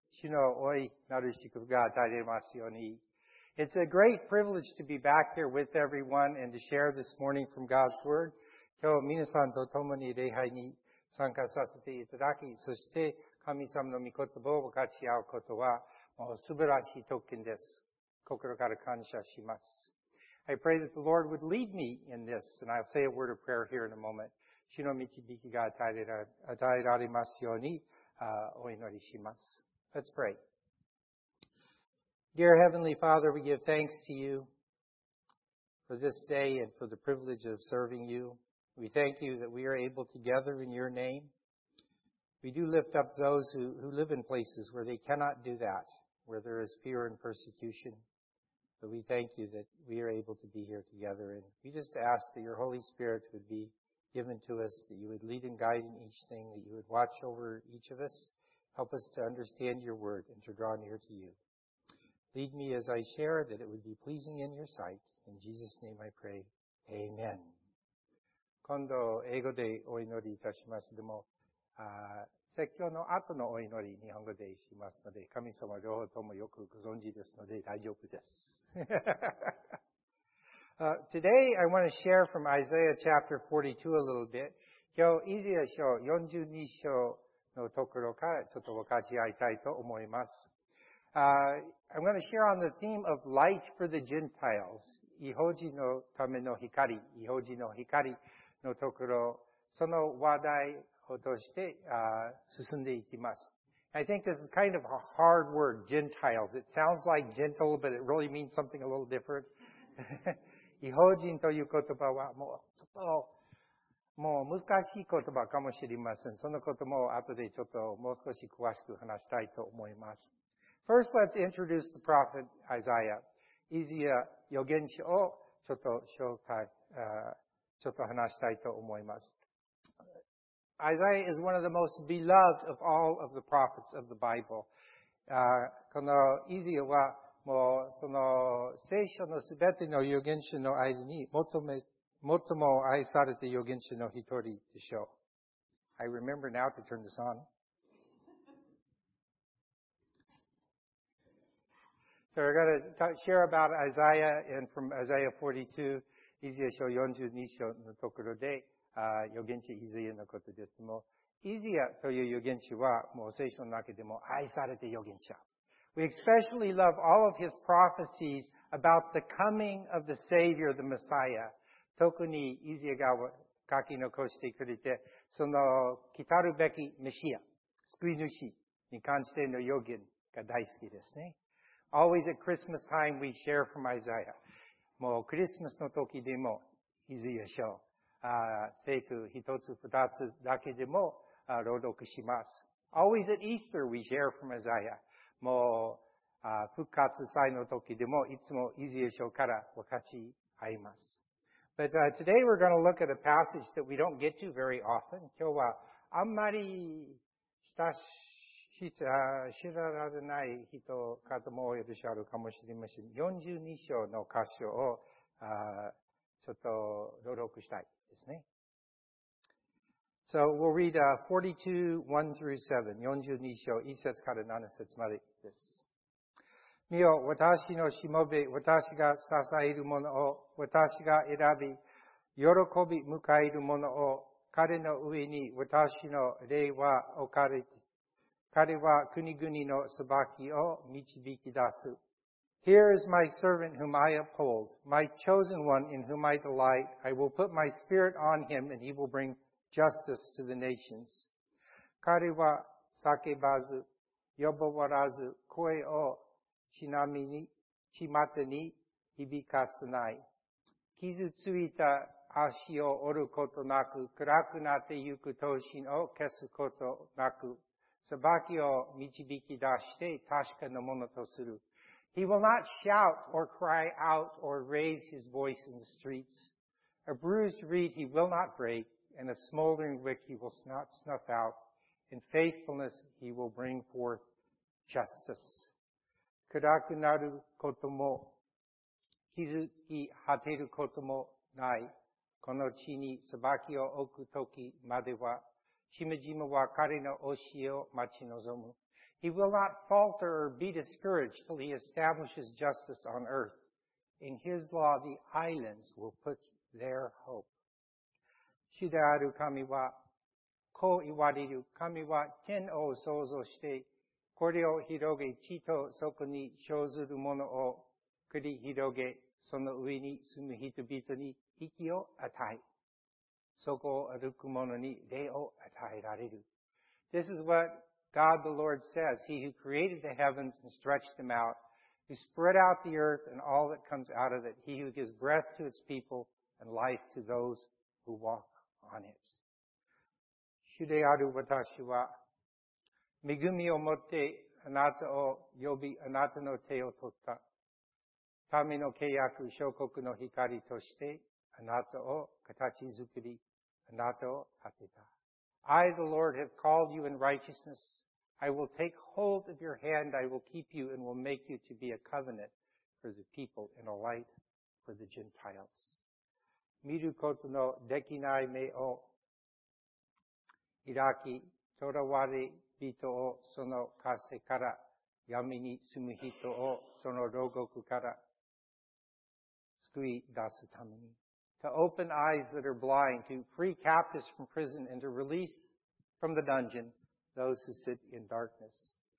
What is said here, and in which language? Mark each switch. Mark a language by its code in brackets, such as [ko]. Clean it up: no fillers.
[ja] 主の多いなる祝福が与えられますように。 [en] It's a great privilege to be back here with everyone and to share this morning from God's Word. [ja] 今日皆さんと共に礼拝に参加させていただき、そして神様の御言葉を分かち合うことはもう素晴らしい特権です。心から感謝します。 [en] I pray that the Lord would lead me in this, and I'll say a word of prayer here in a moment. [ja] 主の導きが与えられますように、お祈りします。 [en] Let's pray. Dear Heavenly Father, we give thanks to you for this day and for the privilege of serving you. We thank you that we are able to gather in your name. We do lift up those who live in places where they cannot do that, where there is fear and persecution. But we thank you that we are able to be here together. And we just ask that your Holy Spirit would be given to us, that you would lead and guide in each thing, that you would watch over each of us, help us to understand your word and to draw near to you. Lead me as I share, that it would be pleasing in your sight. In Jesus' name I pray. Amen. [ja] 今度英語でお祈りいたしますでも、説教の後のお祈り日本語でしますので、神様両方ともよくご存知ですので大丈夫です。 [en] today I want to share from Isaiah chapter 42 a little bit. [ja] 今日イザヤ書42章のところからちょっと分かち合いたいと思います。 [en] I'm going to share on the theme of light for the Gentiles. [ja] 異邦人のための光、異邦人の光のところ、その話題を通して、進んでいきます。 [en] I think this is kind of a hard word, Gentiles. It sounds like gentle, but it really means something a little different. [ja] 異邦人という言葉はもうちょっともう難しい言葉かもしれません。そのことも後でちょっともう少し詳しく話したいと思います。 [en] First, let's introduce the prophet Isaiah. [ja] イザヤ預言者をちょっと紹介、ちょっと話したいと思います。 [en] Isaiah is one of the most beloved of all of the prophets of the Bible. [ja] このイザヤはもうその聖書のすべての預言者の間に最も愛されて預言者の一人でしょう。 [en] I remember now to turn this on. So we're going to share about Isaiah and from Isaiah 42, [ja] イザヤ書42章のところで、預言者イザヤのことですけども、イザヤという預言者はもう聖書の中でも愛されて預言者。 [en] We especially love all of his prophecies about the coming of the Savior, the Messiah. [ja] 特にイザヤが書き残してくれて、その来たるべきメシア、救い主に関しての預言が大好きですね。 [en] Always at Christmas time we share from Isaiah. [ja] もうクリスマスの時でもイザヤ書。聖句一つ二つだけでも朗読します。 [en] Always at Easter we share from Isaiah. [ja] もう復活祭の時でもいつもイザヤ書から分かち合います。 [en] But today we're going to look at a passage that we don't get to very often. [ja] 今日はあんまり知られない人かとも多いでしょうかもしれません。 42章の箇所をちょっと朗読したい。 [en] So we'll read 42:1-7. [ja] 42章1節から7節までです。見よ、私のしもべ、私が支えるものを、私が選び、喜び迎えるものを、彼の上に私の霊は置かれて、彼は国々の裁きを導き出す。 [en] Here is my servant whom I uphold, my chosen one in whom I delight. I will put my spirit on him and he will bring justice to the nations. [ja] 彼は叫ばず、呼ばわらず、声をちなみに、ちまたに響かせない。傷ついた足を折ることなく、暗くなってゆく闘心を消すことなく、裁きを導き出して確かなものとする。 [en] He will not shout or cry out or raise his voice in the streets. A bruised reed he will not break, and a smoldering wick he will not snuff out. In faithfulness he will bring forth justice. [ja] 暗くなることも、傷つき果てることもない。この地に裁きを置く時までは、しめじめは彼の教えを待ち望む。 [en] He will not falter or be discouraged till he establishes justice on earth. In his law, the islands will put their hope. [ja] 主である神は、こう言われる。神は天を創造して、これを広げ、地とそこに生ずるものを繰り広げ、その上に住む人々に息を与え、そこを歩く者に霊を与えられる。 [en] This is what God the Lord says, He who created the heavens and stretched them out, who spread out the earth and all that comes out of it, He who gives breath to its people and life to those who walk on it. [ja] 主である私は、恵みをもってあなたを呼び、あなたの手を取った。民の契約、諸国の光として、あなたを形作り、あなたを立てた。 [en] I, the Lord, have called you in righteousness. I will take hold of your hand. I will keep you and will make you to be a covenant for the people and a light for the Gentiles. [ja] 見ることのできない目を開き、囚われ人をその枷から、闇に住む人をその牢獄から、救い出すために。 [en] To open eyes that are blind, to free captives from prison, and to release from the dungeon those who sit in darkness.